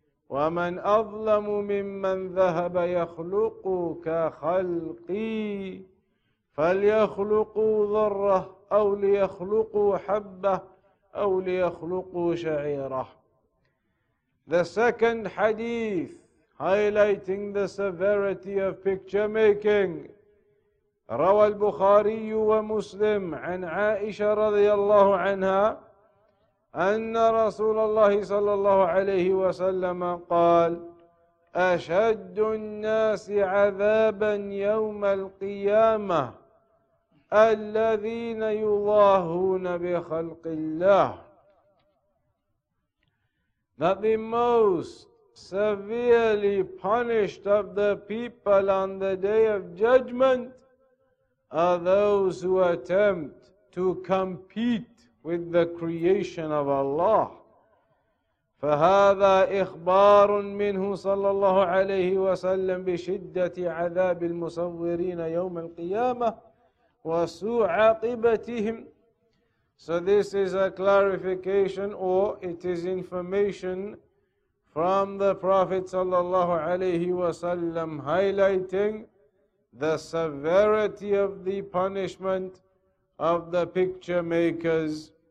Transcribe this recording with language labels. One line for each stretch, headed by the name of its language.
Arabic: وَمَنْ أَظْلَمُ مِمَّنْ ذَهَبَ يَخْلُقُ كَخَلْقِي فَلْيَخْلُقُوا ذَرَّةً أَوْ لِيَخْلُقُوا حَبَّةً أَوْ لِيَخْلُقُوا شَعِيرَةً.
English: The second hadith highlighting the severity of picture making.
Arabic: روى البخاري ومسلم عن عائشة رضي الله عنها أن رسول الله صلى الله عليه وسلم قال أشد الناس عذابا يوم القيامة الذين يضاهون بخلق الله.
English: That the most severely punished of the people on the day of judgment are those who attempt to compete with the creation of Allah.
Arabic: فهذا إخبار منه صلى الله عليه وسلم بشدة عذاب المصورين يوم القيامة وسوء عاقبتهم.
English: So this is a clarification, or it is information from the Prophet
Arabic: صلى الله عليه وسلم
English: highlighting the severity of the punishment of the picture makers.